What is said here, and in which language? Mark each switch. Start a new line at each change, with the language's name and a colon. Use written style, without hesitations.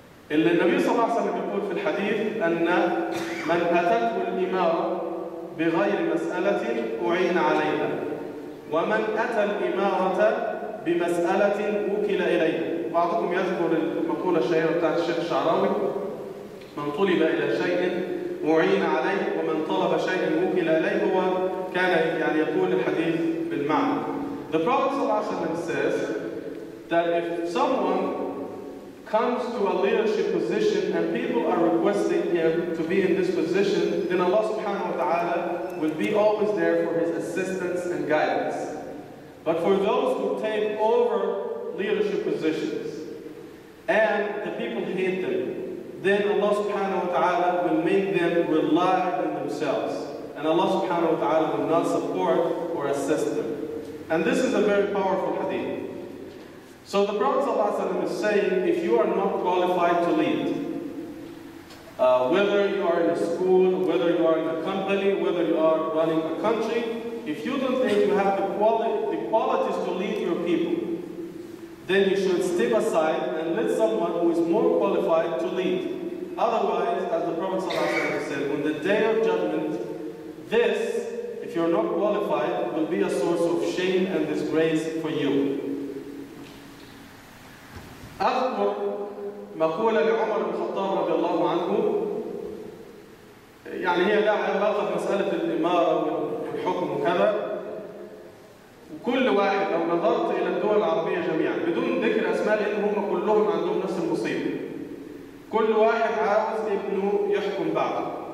Arabic: النبي صلى الله عليه وسلم يقول في الحديث أن من أتته الإمارة بغير مسألة أعين عليها ومن أتى الإمارة بمسألة أوكل إليه بعضكم يذكر المقولة الشهيرة بتاعة الشيخ الشعراوي من طلب إلى شيء أعين عليه ومن طلب شيء أوكل إليه هو كان يعني يقول الحديث بالمعنى
English: The Prophet ﷺ says that if someone comes to a leadership position and people are requesting him to be in this position, then Allah subhanahu wa ta'ala will be always there for his assistance and guidance. But for those who take over leadership positions and the people hate them, then Allah subhanahu wa ta'ala will make them rely on themselves. And Allah subhanahu wa ta'ala will not support or assist them. And this is a very powerful hadith. So the Prophet sallallahu is saying, if you are not qualified to lead, whether you are in a school, whether you are in a company, whether you are running a country, if you don't think you have the qualities to lead your people, then you should step aside and let someone who is more qualified to lead. Otherwise, as the Prophet sallallahu said, on the Day of Judgment, this, if you are not qualified, will be a source of shame and disgrace for you.
Arabic: أذكر مقولة لعمر بن الخطاب رضي الله عنه، يعني هي لها علاقة بمسألة الإمارة والحكم وكذا. وكل واحد لو نظرت إلى الدول العربية جميعا بدون ذكر أسماء، لأن هم كلهم عندهم نفس المصيبة، كل واحد عاوز ابنه يحكم بعده.